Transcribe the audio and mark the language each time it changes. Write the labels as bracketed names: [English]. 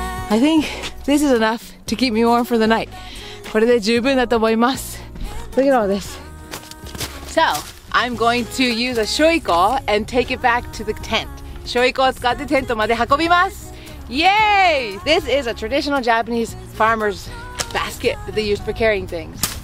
[English] I think this is enough to keep me warm for the night. [Japanese] これで十分だと思います。 [English] Look at all this. So, I'm going to use a shoiko and take it back to the tent. [Japanese] Shoiko を使ってテントまで運びます。Yay! [English] This is a traditional Japanese farmer's basket that they use for carrying things.